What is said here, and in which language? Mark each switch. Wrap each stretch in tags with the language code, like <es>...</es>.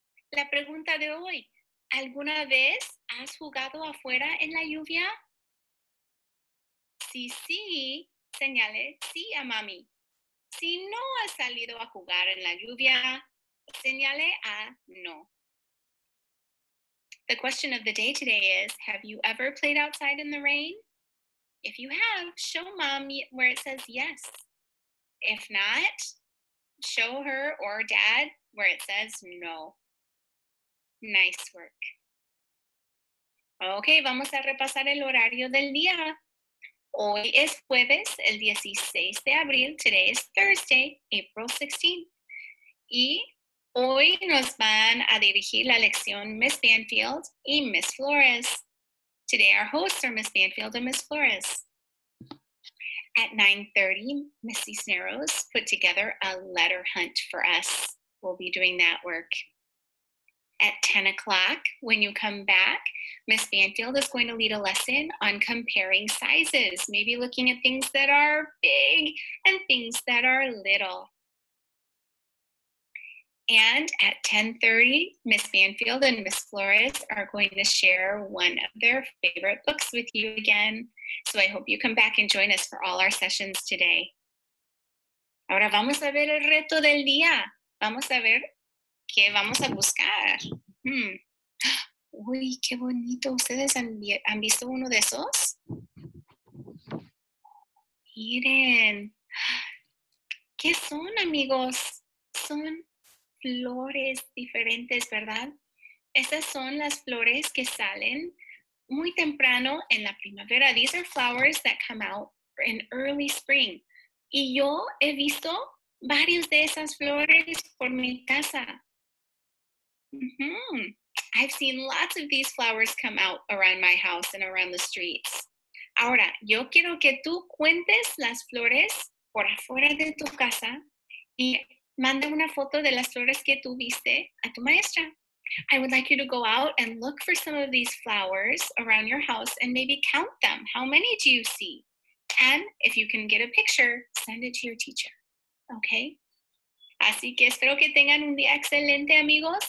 <es>La pregunta de hoy, ¿alguna vez has jugado afuera en la lluvia? Si sí, señale sí a mami. Si no has salido a jugar en la lluvia, señale a no.</es> <en>The question of the day today is, have you ever played outside in the rain? If you have, show mom where it says yes. If not, show her or dad where it says no. Nice work.</en> <es>Okay, vamos a repasar el horario del día. Hoy es jueves, el 16 de abril.</es> <en>Today is Thursday, April 16th.</en> <es>Hoy nos van a dirigir la lección Miss Banfield y Miss Flores.</es> <en>Today our hosts are Miss Banfield and Miss Flores. At 9:30, Miss Cisneros put together a letter hunt for us. We'll be doing that work. At 10 o'clock, when you come back, Miss Banfield is going to lead a lesson on comparing sizes, maybe looking at things that are big and things that are little. And at 10:30, Miss Banfield and Miss Flores are going to share one of their favorite books with you again. So I hope you come back and join us for all our sessions today.</en> <es>Ahora vamos a ver el reto del día. Vamos a ver qué vamos a buscar. Uy, qué bonito. ¿Ustedes han visto uno de esos? Miren. ¿Qué son, amigos? Son flores diferentes, ¿verdad? Estas son las flores que salen muy temprano en la primavera.</es> <en>These are flowers that come out in early spring.</en> <es>Y yo he visto varios de esas flores por mi casa. Mm-hmm.</es> <en>I've seen lots of these flowers come out around my house and around the streets.</en> <es>Ahora, yo quiero que tú cuentes las flores por afuera de tu casa y manda una foto de las flores que tú viste a tu maestra.</es> <en>I would like you to go out and look for some of these flowers around your house and maybe count them. How many do you see? And if you can get a picture, send it to your teacher. Okay?</en> <es>Así que espero que tengan un día excelente, amigos.</es>